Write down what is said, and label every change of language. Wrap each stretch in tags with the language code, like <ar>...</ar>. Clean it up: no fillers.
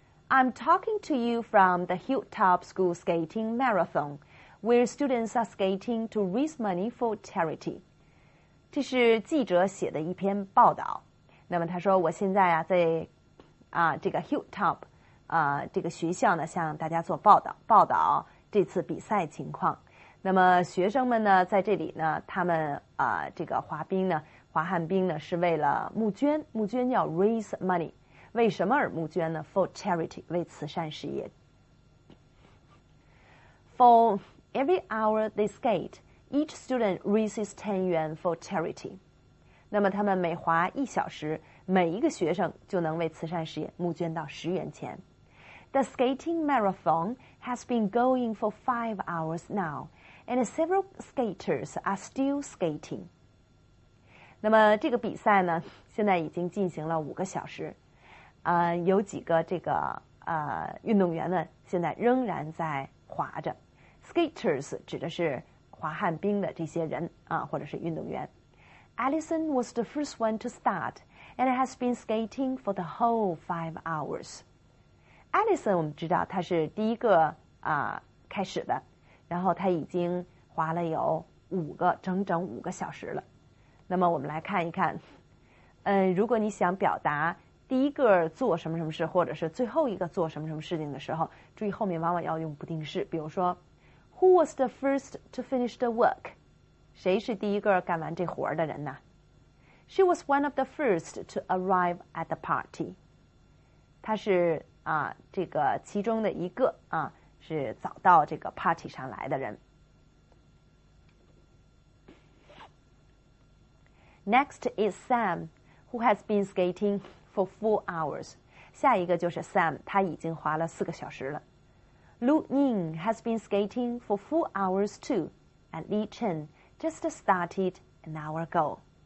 <en>I'm talking to you from the Hilltop School Skating Marathon, where students are skating to raise money for charity.</en> <zh>这是记者写的一篇报道。那么他说我现在啊在啊这个 Hilltop 啊这个学校呢向大家做报道，报道这次比赛情况。那么学生们呢在这里呢，他们啊这个滑冰呢，滑旱冰呢是为了募捐，募捐要</zh> <en>raise money。</en> <zh>为什么而募捐呢？</zh> <en>For charity，</en> <zh>为慈善事业。</zh> <en>For every hour they skate, each student raises 10 yuan for charity.</en> <zh>那么他们每滑一小时，每一个学生就能为慈善事业募捐到10元钱。</zh> <en>The skating marathon has been going for 5 hours now, and several skaters are still skating.</en> <zh>那么这个比赛呢，现在已经进行了5个小时。有几个这个运动员呢现在仍然在滑着。 Skaters 指的是滑旱冰的这些人啊，或者是运动员。 Allison was the first one to start and has been skating for the whole 5 hours. Allison 我们知道她是第一个开始的，然后她已经滑了有整整五个小时了。那么我们来看一看，如果你想表达第一个做什么什么事，或者是最后一个做什么什么事情的时候，注意后面往往要用不定式。比如说</zh> <en>，Who was the first to finish the work？</en> <zh>谁是第一个干完这活儿的人呢</zh> <en>？She was one of the first to arrive at the party。</en> <zh>她是这个其中的一个是早到这个 party 上来的人。</zh> <en>Next is Sam, who has been skating。 For 4 hours.</en> <zh>下一个就是 Sam, 他已经滑了4个小时了。</zh> <en>Lu Ning has been skating for 4 hours too, and Li Chen just started an hour ago.</en>